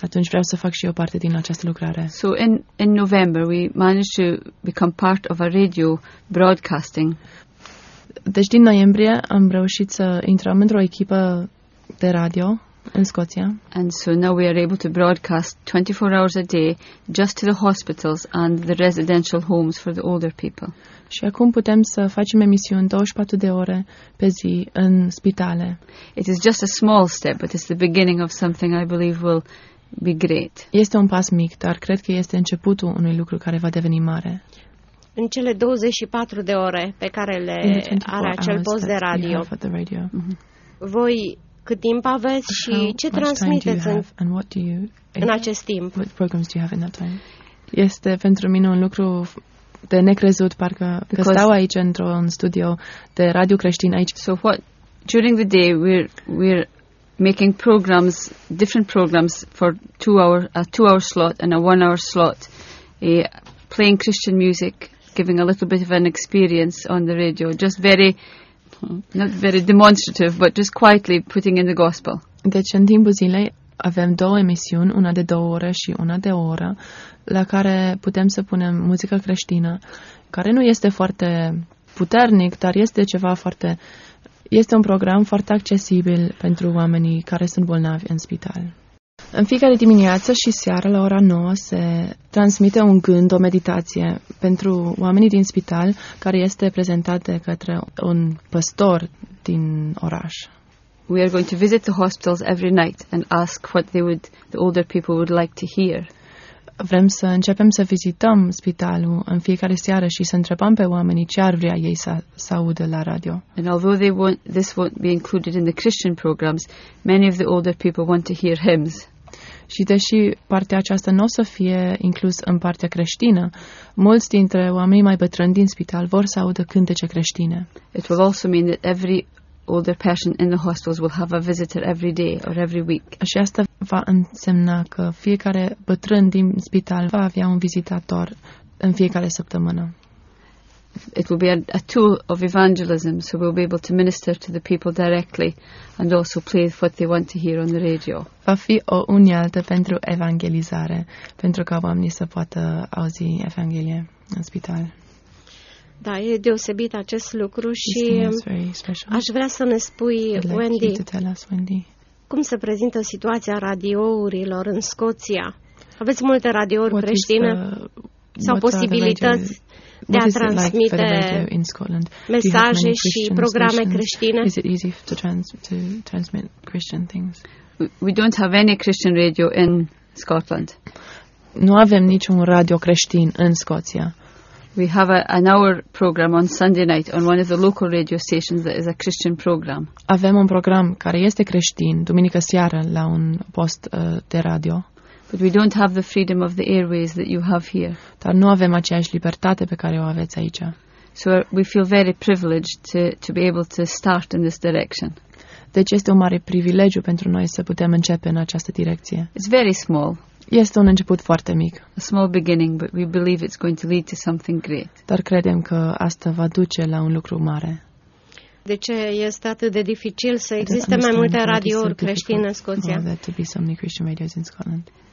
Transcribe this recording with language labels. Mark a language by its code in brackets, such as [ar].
[ro] Atunci vreau să fac și eu parte din această lucrare. [en] So in November we managed to become part of a radio broadcasting. [ro] Deci din noiembrie am reușit să intrăm într-o echipă de radio in Scotia. [en] And so now we are able to broadcast 24 hours a day just to the hospitals and the residential homes for the older people. [ro] Și acum putem să facem emisiuni 24 de ore pe zi în spitale. [en] It is just a small step, but it's the beginning of something I believe will be great. [ro] Este un pas mic, dar cred că este începutul unui lucru care va deveni mare. În cele 24 de ore pe care le are acel post de radio. Radio. Mm-hmm. Voi cât timp aveți și ce transmiteți în acest timp? [en] What programs do you have in that time? [ro] Este pentru mine un lucru de necrezut, parcă că stau aici într-un studio de radio creștin aici. [en] So what, during the day we're making programs, different programs for a two hour slot and a one hour slot, playing Christian music, giving a little bit of an experience on the radio, just very, not very demonstrative, but just quietly putting in the gospel. [ro] Deci în timpul zilei avem două emisiuni, una de două ore și una de o oră, la care putem să punem muzică creștină, care nu este foarte puternic, dar este ceva foarte, este un program foarte accesibil pentru oamenii care sunt bolnavi în spital. În fiecare dimineață și seară la ora 9 se transmite un gând, o meditație pentru oamenii din spital, care este prezentat de către un păstor din oraș. [en] We are going to visit the hospitals every night and ask what the older people would like to hear. [ro] Vrem să începem să vizităm spitalul în fiecare seară și să întrebăm pe oamenii ce ar vrea ei să audă la radio. [en] And although this won't be included in the Christian programs, many of the older people want to hear hymns. [ro] Și deși partea aceasta nu o să fie inclus în partea creștină, mulți dintre oamenii mai bătrâni din spital vor să audă cântece creștine. [en] It will also mean that every older person in the hospitals will have a visitor every day or every week. [ro] Și asta va însemna că fiecare bătrân din spital va avea un vizitator în fiecare săptămână. [en] It will be a tool of evangelism, so we'll be able to minister to the people directly and also play what they want to hear on the radio. [ro] Va fi o unealtă pentru evangelizare, pentru ca oamenii să poată auzi Evanghelie în spital. Da, e deosebit acest lucru și aș vrea să ne spui, Wendy, cum se prezintă situația radiourilor în Scoția? Aveți multe radiouri creștine sau posibilități de a transmite mesaje și programe creștine? [en] Is it easy to transmit Christian things? We don't have any Christian radio in Scotland. [ro] Nu avem niciun radio creștin în Scoția. [en] We have an hour program on Sunday night on one of the local radio stations that is a Christian program. [ro] Avem un program care este creștin duminică seară la un post de radio. [en] But we don't have the freedom of the airways that you have here. [ro] Dar nu avem aceeași libertate pe care o aveți aici. [en] So we feel very privileged to be able to start in this direction. [ro] Deci este un mare privilegiu pentru noi să putem începe în această direcție. [en] It's very small. [ro] Este un început foarte mic. [en] A small beginning, but we believe it's going to lead to something great. [ro] Dar credem că asta va duce la un lucru mare. De ce este atât de dificil să existe mai multe radiouri creștine în Scoția? [en] Why there to be so many Christian radios in Scotland?